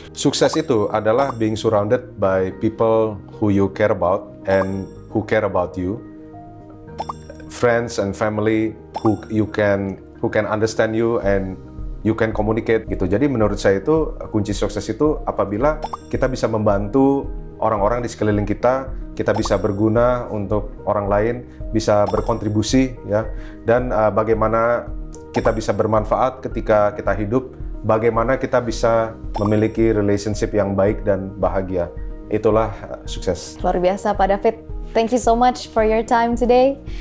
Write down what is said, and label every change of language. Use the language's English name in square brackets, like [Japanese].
[Indonesian] Sukses itu adalah [English] being surrounded by people who you care about and who care about you, friends and family who can understand you and you can communicate gitu. [Indonesian] Jadi menurut saya itu kunci sukses itu apabila kita bisa membantu orang-orang di sekeliling kita, kita bisa berguna untuk orang lain, bisa berkontribusi ya. Dan bagaimana kita bisa bermanfaat ketika kita hidup, bagaimana kita bisa memiliki relationship yang baik dan bahagia. Itulah sukses. Luar biasa Pak David. [English] Thank you so much for your time today.